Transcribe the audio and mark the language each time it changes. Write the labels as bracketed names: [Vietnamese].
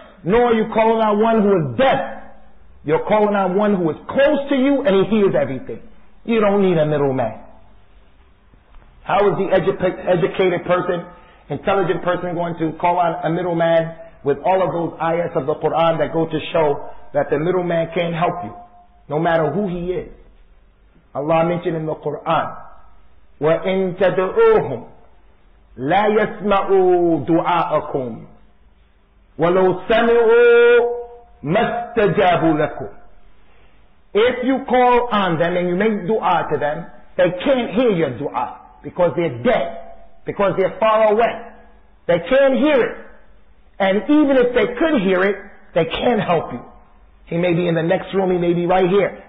[English] Nor are you calling on one who is deaf. You're calling on one who is close to you and he hears everything. You don't need a middleman. How is the educated person, intelligent person going to call on a middleman with all of those ayats of the Qur'an that go to show that the middleman can't help you, no matter who he is. Allah mentioned in the Qur'an, [Arabic] وَإِن تَدْعُوهُمْ لَا يَسْمَعُوا دُعَاءَكُمْ وَلَوْ سَمِعُوا مَسْتَجَابُوا لَكُمْ. [English] If you call on them and you make dua to them, they can't hear your dua because they're dead, because they're far away. They can't hear it. And even if they could hear it, they can't help you. He may be in the next room, he may be right here.